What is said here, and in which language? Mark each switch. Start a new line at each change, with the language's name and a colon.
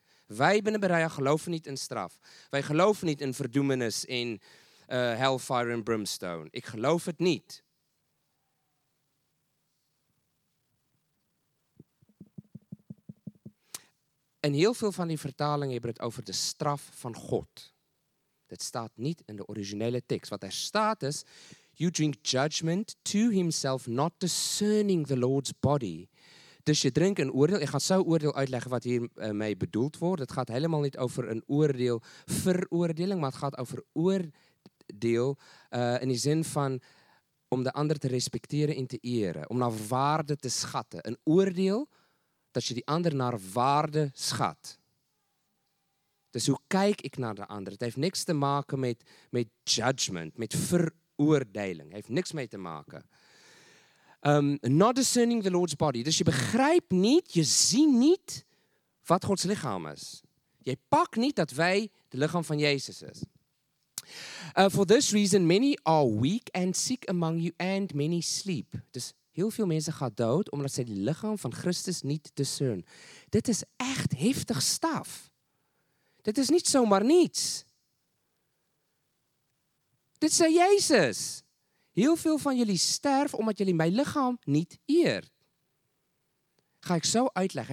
Dutch: Wij binnen Berea geloven niet in straf. Wij geloven niet in verdoemenis, in hellfire en brimstone. Ik geloof het niet. In heel veel van die vertalingen hebben het over de straf van God. Dat staat niet in de originele tekst. Wat er staat is,
English: you drink judgment to himself, not discerning the Lord's body.
Dutch: Dus je drinkt een oordeel. Ik ga zo oordeel uitleggen wat hiermee bedoeld wordt. Het gaat helemaal niet over een oordeel veroordeling, maar het gaat over oordeel in die zin van om de ander te respecteren en te eren. Om naar waarde te schatten. Een oordeel dat je die ander naar waarde schat. Dus hoe kijk ik naar de ander? Het heeft niks te maken met judgment, met veroordeling. Het heeft niks mee te maken.
English: Not discerning the Lord's body.
Dutch: Dus je begrijpt niet, je ziet niet wat Gods lichaam is. Je pakt niet dat wij het lichaam van Jezus is.
English: For this reason, many are weak and sick among you, and many sleep.
Dutch: Dus heel veel mensen gaan dood, omdat ze het lichaam van Christus niet discern. Dit is echt heftig staf. Dit is niet zomaar niets. Dit zei Jezus. Heel veel van jullie sterven omdat jullie mijn lichaam niet eer. Ga ik zo uitleggen.